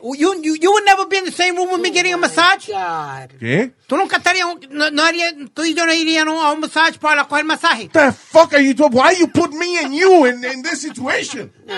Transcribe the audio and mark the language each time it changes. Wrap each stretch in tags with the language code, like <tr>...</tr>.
<en>You would never be in the same room with me getting a massage? God.</en> <es>¿Qué? ¿Tú nunca estarías, tú y yo no iríamos a un massage para coger el masaje?</es> <en>The fuck are you talking? Why you put me and you in this situation?</en>